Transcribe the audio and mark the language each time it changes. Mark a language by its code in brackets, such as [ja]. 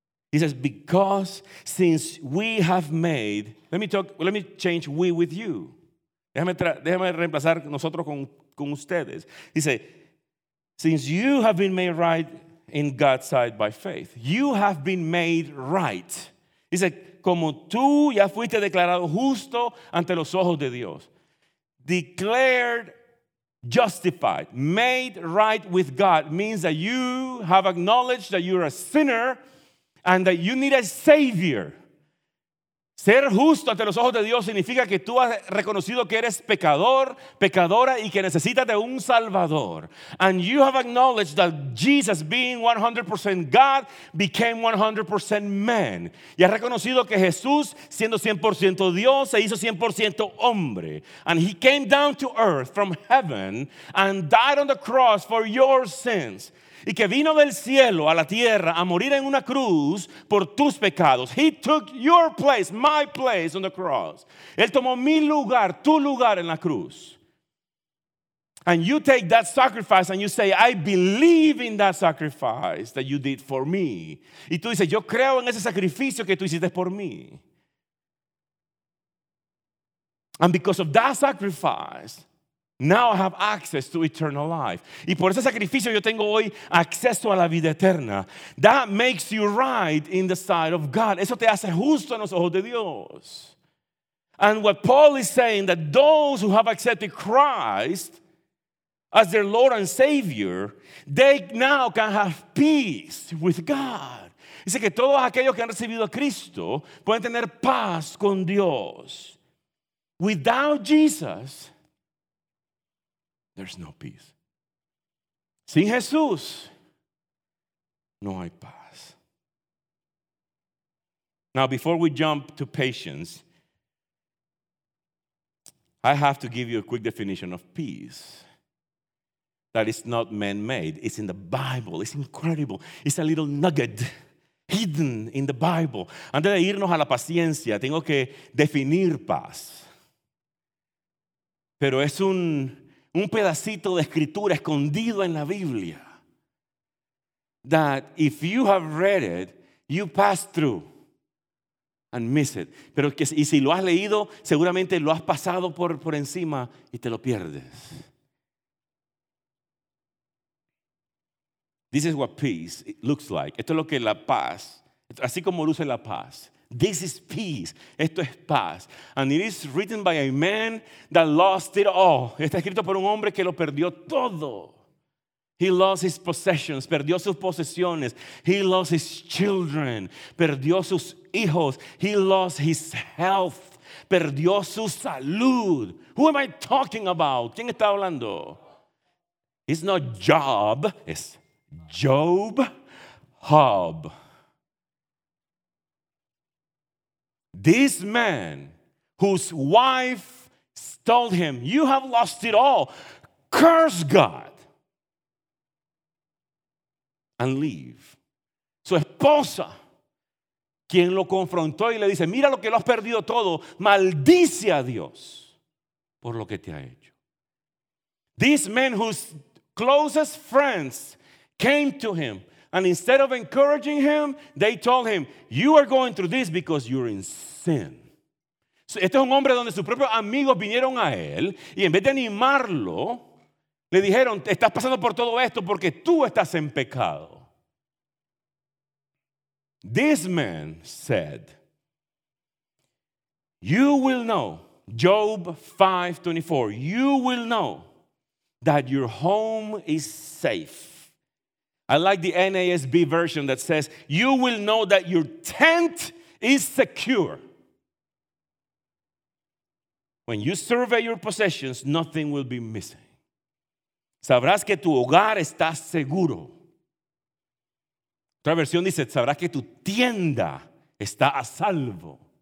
[en] He says, because since we have made, let me change we with you. [es] Déjame reemplazar nosotros con ustedes. [en] He says, since you have been made right in God's sight by faith, you have been made right. He says, [es] como tú ya fuiste declarado justo ante los ojos de Dios. [en] Declared justified, made right with God means that you have acknowledged that you're a sinner and that you need a savior. [es] Ser justo ante los ojos de Dios significa que tú has reconocido que eres pecador, pecadora y que necesitas de un salvador. [en] And you have acknowledged that Jesus, being 100% God, became 100% man. [es] Y has reconocido que Jesús, siendo 100% Dios, se hizo 100% hombre. [en] And he came down to earth from heaven and died on the cross for your sins. [es] Y que vino del cielo a la tierra a morir en una cruz por tus pecados. [en] He took your place, my place on the cross. [es] Él tomó mi lugar, tu lugar en la cruz. [en] And you take that sacrifice and you say, I believe in that sacrifice that you did for me. [es] Y tú dices, yo creo en ese sacrificio que tú hiciste por mí. [en] And because of that sacrifice, now I have access to eternal life. [es] Y por ese sacrificio yo tengo hoy acceso a la vida eterna. [en] That makes you right in the sight of God. [es] Eso te hace justo en los ojos de Dios. [en] And what Paul is saying, that those who have accepted Christ as their Lord and Savior, they now can have peace with God. [es] Dice que todos aquellos que han recibido a Cristo pueden tener paz con Dios. [en] Without Jesus, there's no peace. [es] Sin Jesús, no hay paz. [en] Now, before we jump to patience, I have to give you a quick definition of peace. That is not man-made. It's in the Bible. It's incredible. It's a little nugget hidden in the Bible. [es] Antes de irnos a la paciencia, tengo que definir paz. Pero es un pedacito de escritura escondido en la Biblia. [en] That if you have read it, you pass through and miss it. [es] Pero que, y si lo has leído, seguramente lo has pasado por encima y te lo pierdes. [en] This is what peace looks like. [es] Esto es lo que la paz, así como luce la paz. [en] This is peace. [es] Esto es paz. [en] And it is written by a man that lost it all. [es] Está escrito por un hombre que lo perdió todo. [en] He lost his possessions. [es] Perdió sus posesiones. [en] He lost his children. [es] Perdió sus hijos. [en] He lost his health. [es] Perdió su salud. [en] Who am I talking about? [es] ¿Quién está hablando? [en] It's not Job. It's Job. Hob. This man, whose wife told him, you have lost it all, curse God and leave. [es] Su esposa, quien lo confrontó y le dice, mira lo que lo has perdido todo, maldice a Dios por lo que te ha hecho. [en] This man, whose closest friends came to him, and instead of encouraging him, they told him, you are going through this because you're in sin. [es] Este es un hombre donde sus propios amigos vinieron a él y en vez de animarlo, le dijeron, estás pasando por todo esto porque tú estás en pecado. [en] This man said, you will know, Job 5:24, you will know that your home is safe. I like the NASB version that says, you will know that your tent is secure. When you survey your possessions, nothing will be missing. [es] Sabrás que tu hogar está seguro. Otra versión dice, sabrás que tu tienda está a salvo.